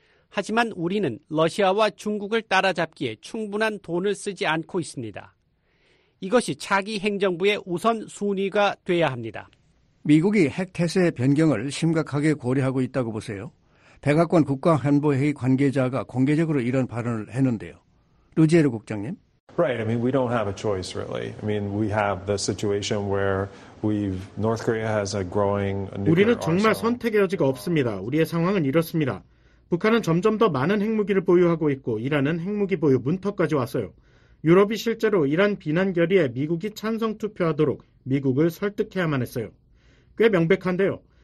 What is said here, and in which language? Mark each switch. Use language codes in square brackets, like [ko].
[ko] 하지만 우리는 러시아와 중국을 따라잡기에 충분한 돈을 쓰지 않고 있습니다. 이것이 차기 행정부의 우선 순위가 돼야 합니다. 미국이 핵 태세 변경을 심각하게 고려하고 있다고 보세요. 백악관 국가안보회의 관계자가 공개적으로 이런 발언을 했는데요. 루지에르 국장님. [en] Right. I mean, we don't have a choice, really. I mean, we have the situation where we've North Korea has a growing nuclear arsenal. [ko] 우리는 정말 선택의 여지가 없습니다. 우리의 상황은 이렇습니다. 북한은 점점 더 많은 핵무기를 보유하고 있고 이란은 핵무기 보유 문턱까지 왔어요. 유럽이 실제로 이란 비난 결의에 미국이 찬성 투표하도록 미국을 설득해야만 했어요. 꽤 명백한데요.